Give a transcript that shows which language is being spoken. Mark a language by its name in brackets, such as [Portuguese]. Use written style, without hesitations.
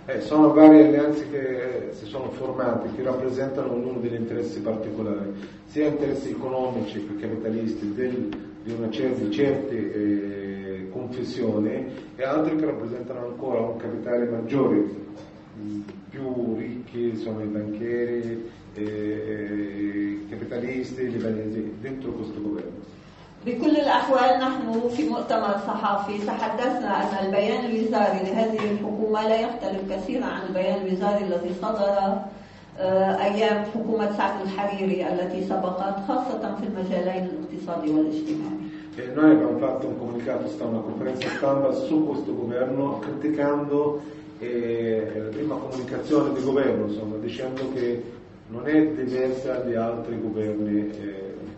[Italian] Sono varie alleanze che si sono formate, che rappresentano ognuno degli interessi particolari, sia interessi economici, più capitalisti, di una certa confessione, e altri che rappresentano ancora un capitale maggiore, più ricchi, sono i banchieri, capitalisti, libanesi, dentro questo governo. [Arabic] بكل الأحوال نحن في مؤتمر صحفي تحدثنا أن البيان الوزاري لهذه الحكومة لا يختلف كثيرا عن البيان الوزاري الذي صدر أيام حكومة سعد الحريري التي سبقت خاصة في المجالين الاقتصادي والاجتماعي. [Italian] Noi abbiamo fatto un comunicato stampa, una conferenza stampa su questo governo criticando la prima comunicazione di governo, insomma, dicendo che non è diversa di altri governi.